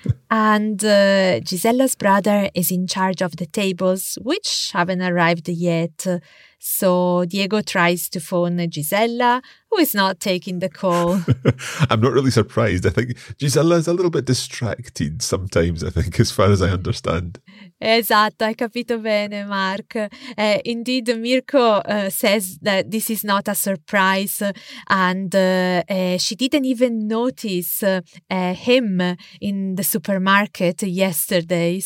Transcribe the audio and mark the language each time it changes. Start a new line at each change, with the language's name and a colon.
English: And Gisella's brother is in charge of the tables, which haven't arrived yet. So Diego tries to phone Gisella, who is not taking the call. I'm not really surprised. I think Gisella is a little bit distracted sometimes, I think, as far as I understand.
Italian: Esatto, hai capito bene, Mark.
English: Indeed, Mirko says that this is not a surprise, and she didn't even notice him in the supermarket yesterday.